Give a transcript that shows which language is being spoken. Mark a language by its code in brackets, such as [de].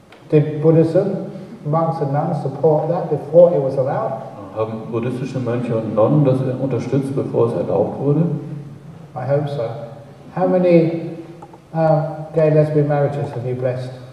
[en] Did Buddhism, monks and nuns, support that before it was allowed? [de] Haben buddhistische Mönche und Nonnen das unterstützt, bevor es erlaubt wurde? [en] I hope so. How many gay lesbian marriages have you blessed?